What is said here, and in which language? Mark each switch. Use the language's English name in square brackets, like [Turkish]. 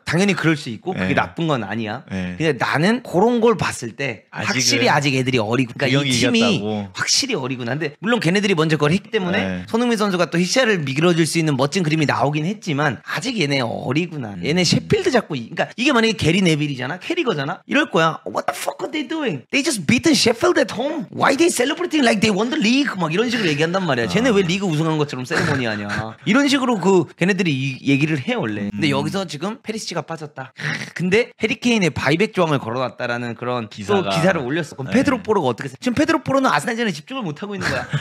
[Korean] 당연히 그럴 수 있고 그게 나쁜 건 아니야. 근데 나는 그런 걸 봤을 때 확실히 아직 애들이 어리고 그러니까 이 팀이 이겼다고. 확실히 어리구나. 근데 물론 걔네들이 먼저 그걸 했기 때문에 손흥민 선수가 또 히샬을 밀어줄 수 있는 멋진 그림이 나오긴 했지만 아직 얘네 어리구나. 얘네 셰필드 잡고 그러니까 이게 만약에 게리 네빌이잖아 캐리거잖아 이럴 거야. [English] What the fuck are they doing? They just beaten Sheffield at home. Why they celebrating like they won the league? [Korean] 막 이런 식으로 얘기한단 말이야. 쟤네 왜 리그 우승한 것처럼 세레모니하냐. 이런 식으로 그 걔네들이 얘기를 해 원래. 근데 여기서 지금 페리시치가 빠졌다. 근데 해리케인의 바이백 조항을 걸어놨다라는 그런 기사가. 또 기사를 올렸어. 그럼 페드로 포로가 어떻게 지금 페드로 포로는 아스날전에 집중을 못하고 있는 거야.